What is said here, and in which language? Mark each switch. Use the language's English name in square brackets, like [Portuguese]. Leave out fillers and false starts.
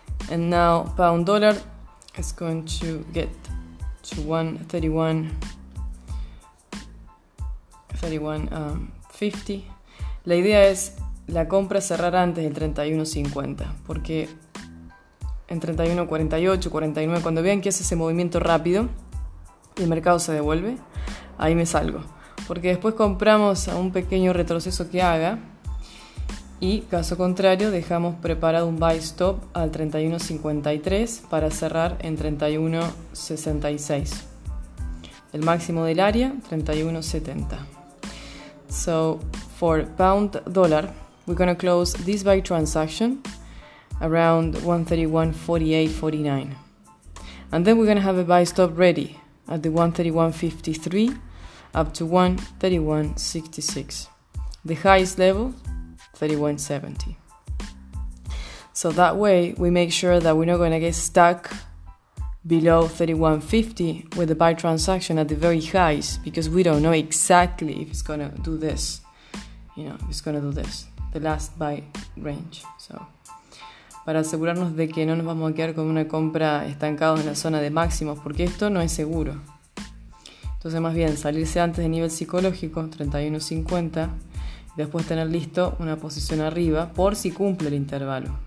[English] And now, pound dollar is going to get to 131.50. [Spanish] La idea es la compra cerrar antes del 31.50, porque en 31.48, 49, cuando vean que hace ese movimiento rápido y el mercado se devuelve, ahí me salgo. Porque después compramos a un pequeño retroceso que haga y, caso contrario, dejamos preparado un buy stop al 31.53 para cerrar en 31.66. El máximo del área, 31.70. [English] So, for pound dollar, we're going to close this buy transaction around 131.48.49. And then we're going to have a buy stop ready at the 131.53 up to 131.66. The highest level, 31.70. So that way, we make sure that we're not going to get stuck below 31.50 with the buy transaction at the very highs, because we don't know exactly if it's going to do this. You know, it's going to do this. The last buy range. [Spanish] So, para asegurarnos de que no nos vamos a quedar con una compra estancados en la zona de máximos, porque esto no es seguro. Entonces, más bien, salirse antes de nivel psicológico, 31.50, y después tener listo una posición arriba, por si cumple el intervalo.